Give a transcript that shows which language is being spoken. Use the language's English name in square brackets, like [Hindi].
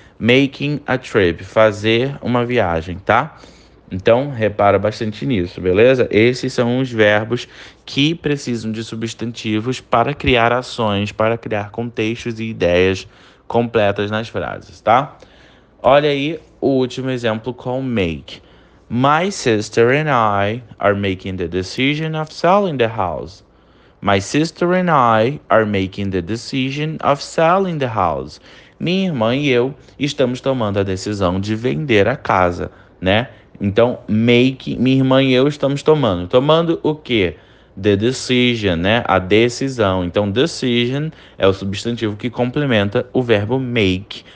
[English] Making a trip, [Portuguese] fazer uma viagem, tá? Então, repara bastante nisso, beleza? Esses são os verbos que precisam de substantivos para criar ações, para criar contextos e ideias completas nas frases, tá? Olha aí o último exemplo com make. [English] My sister and I are making the decision of selling the house. My sister and I are making the decision of selling the house. [Portuguese] Minha irmã e eu estamos tomando a decisão de vender a casa, né? Então, make, minha irmã e eu estamos tomando. Tomando o quê? [English] The decision, [Portuguese] né? A decisão. Então, decision é o substantivo que complementa o verbo make.